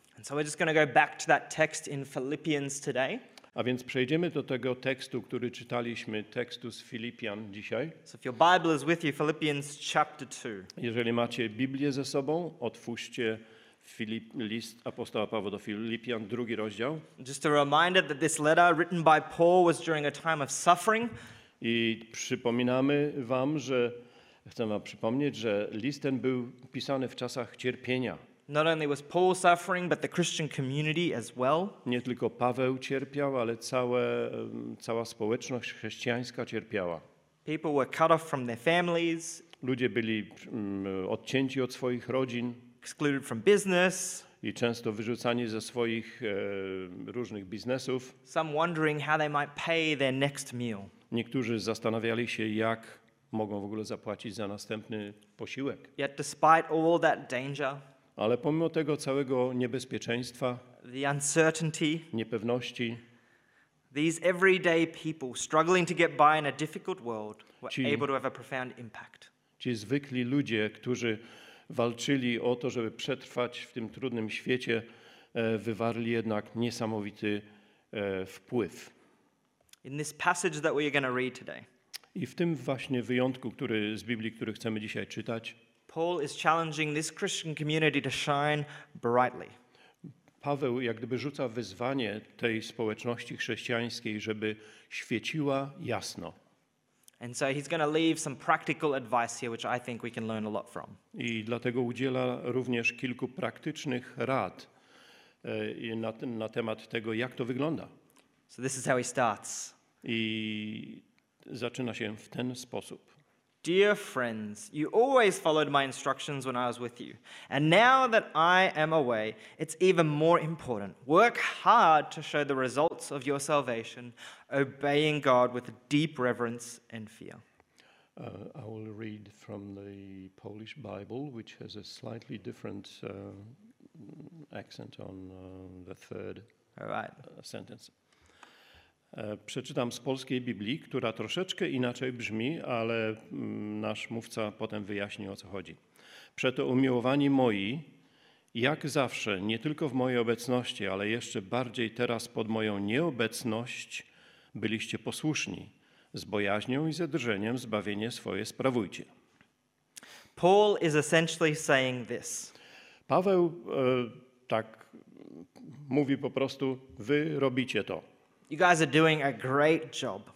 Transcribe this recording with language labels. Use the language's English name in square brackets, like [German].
[English] And so we're just going to go back to that text in Philippians today. [Polish] A więc przejdziemy do tego tekstu, który czytaliśmy, tekstu z Filipian dzisiaj. [English] So if your Bible is with you, Philippians chapter 2. [Polish] Jeżeli macie Biblię ze sobą, otwórzcie list apostoła Pawła do Filipian, drugi rozdział. [English] Just a reminder that this letter written by Paul was during a time of suffering. [Polish] I przypominamy wam, że chcę wam przypomnieć, że list ten był pisany w czasach cierpienia. [English] Not only was Paul suffering, but the Christian community as well. [Polish] Nie tylko Paweł cierpiał, ale cała społeczność chrześcijańska cierpiała. [English] People were cut off from their families. [Polish] Ludzie byli odcięci od swoich rodzin. [English] Excluded from business. [Polish] I często wyrzucani ze swoich różnych biznesów. [English] Some wondering how they might pay their next meal. [Polish] Niektórzy zastanawiali się, jak mogą w ogóle zapłacić za następny posiłek. [English] Yet despite all that danger. [Polish] Ale pomimo tego całego niebezpieczeństwa, [English] the uncertainty, [Polish] niepewności, [English] these everyday people struggling to get by in a difficult world were able to have a profound impact. [Polish] Ci zwykli ludzie, którzy walczyli o to, żeby przetrwać w tym trudnym świecie, wywarli jednak niesamowity wpływ. [English] In this passage that we are going to read today. [Polish] I w tym właśnie wyjątku, który z Biblii, który chcemy dzisiaj czytać, [English] Paul is challenging this Christian community to shine brightly. [Polish] Paweł jak gdyby rzuca wyzwanie tej społeczności chrześcijańskiej, żeby świeciła jasno. [English] And so he's going to leave some practical advice here, which I think we can learn a lot from. [Polish] I dlatego udziela również kilku praktycznych rad na temat tego, jak to wygląda. [English] So this is how he starts. [Polish] I zaczyna się w ten sposób. [English] Dear friends, you always followed my instructions when I was with you. And now that I am away, it's even more important. Work hard to show the results of your salvation, obeying God with deep reverence and fear. I will read from the Polish Bible, which has a slightly different accent on the third sentence. [Polish] Przeczytam z polskiej Biblii, która troszeczkę inaczej brzmi, ale nasz mówca potem wyjaśni, o co chodzi. Przeto umiłowani moi, jak zawsze, nie tylko w mojej obecności, ale jeszcze bardziej teraz pod moją nieobecność, byliście posłuszni. Z bojaźnią i ze drżeniem zbawienie swoje sprawujcie. [English] Paul is essentially saying this. [Polish] Paweł tak mówi po prostu, wy robicie to. [English] You guys are doing a great job.